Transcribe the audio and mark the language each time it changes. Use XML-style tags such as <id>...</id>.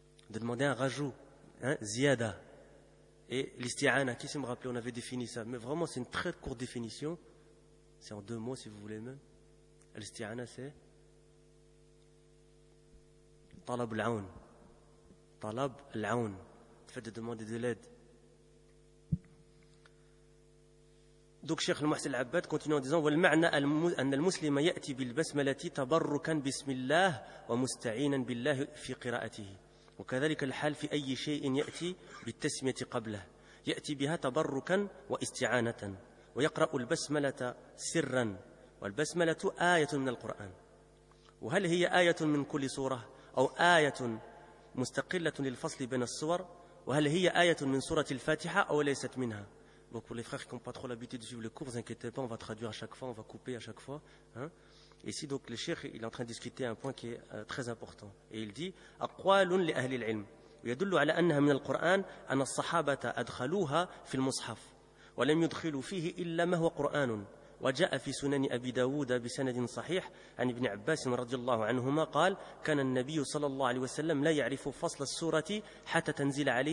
<fr>De demander un rajout, hein, ziyada. Et l'isti'ana, qui sait me rappeler, on avait défini ça. Mais vraiment, c'est une très courte définition. C'est en deux mots, si vous voulez même. L'isti'ana, c'est</fr> <ar>talab l'aoun. Talab l'aoun.</ar> <fr>Le fait de demander de l'aide. Donc, Cheikh Mohsen al-Abbad continue en disant</fr> <ar>والمعنى أن المسلم يأتي بالبسملة تبركا بسم الله ومستعينا بالله في قراءته. وكذلك الحال في أي شيء يأتي بالتسمية قبله يأتي بها تبركا واستعانة ويقرأ البسملة سرا والبسملة آية من القرآن وهل هي آية من كل سورة أو آية مستقلة للفصل بين السور؟ وهل هي آية من سورة الفاتحة أو ليست منها؟</ar> <fr>Donc pour les frères qui n'ont pas trop l'habitude de suivre le cours, vous inquiétez pas, on va traduire à chaque fois, on va couper à chaque fois. Hein? Ici donc le cheikh il est en train de discuter un point qui est très important et il dit</fr> <ar>أقوال لأهل العلم ويدل على أنها من القرآن أن الصحابة أدخلوها في المصحف ولم يدخلوا فيه إلا ما هو قرآن وجاء في سنن أبي داود بسند صحيح عن ابن عباس رضي الله عنهما قال كان النبي صلى الله عليه وسلم لا يعرف فصل السورة حتى تنزل</ar>